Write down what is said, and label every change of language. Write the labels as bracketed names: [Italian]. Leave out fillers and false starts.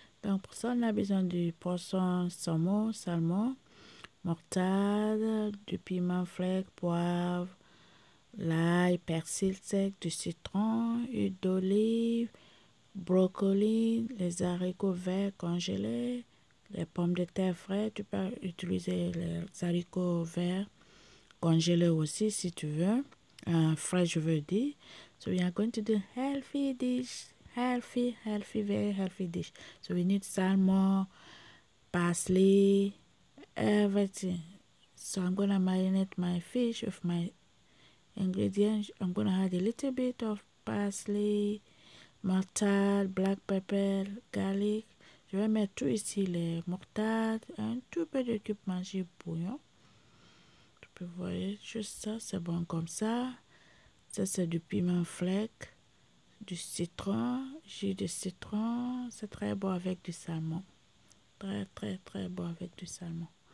[French] Donc, pour ça, on a besoin du poisson, saumon, salmon, moutarde, du piment frais, poivre, l'ail, persil sec, du citron, huile d'olive, brocoli, les haricots verts congelés, les pommes de terre fraîches. Tu peux utiliser les haricots verts congelés aussi si tu veux. Frais, je veux dire. [English] So, we are going to do healthy dish. Healthy, healthy, very healthy dish. So, we need salmon, parsley, everything. So, I'm going to marinate my fish with my ingredients. I'm going to add a little bit of parsley, moutarde, black pepper, garlic. [French] Je vais mettre tout ici, les moutardes, un tout peu de cube magique bouillon. Tu peux voir juste ça, c'est bon comme ça. Ça, c'est du piment frais, du citron, jus de citron. C'est très bon avec du salmon. Très, très, très bon avec du salmon.